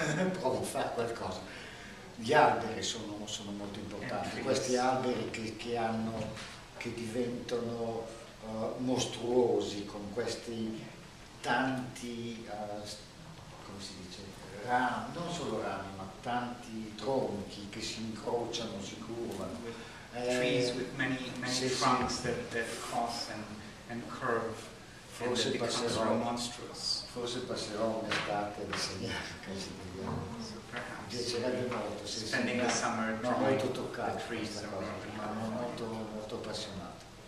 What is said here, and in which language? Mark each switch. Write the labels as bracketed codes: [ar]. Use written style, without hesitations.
[it] Provo a fare qualcosa. Gli alberi sono molto importanti, questi alberi che diventano mostruosi con questi tanti, come si dice, rami, non solo rami, ma tanti tronchi che si incrociano, si curvano. [en] Trees with many trunks that cross and curve. [it] Forse passerò [en] monstrous. [it] Forse passerò un'estate a disegnare questi degli anni. Piacerebbe molto, sì, [en] spending the summer drawing the trees. [it] Molto toccato questa cosa, ma molto, molto appassionato.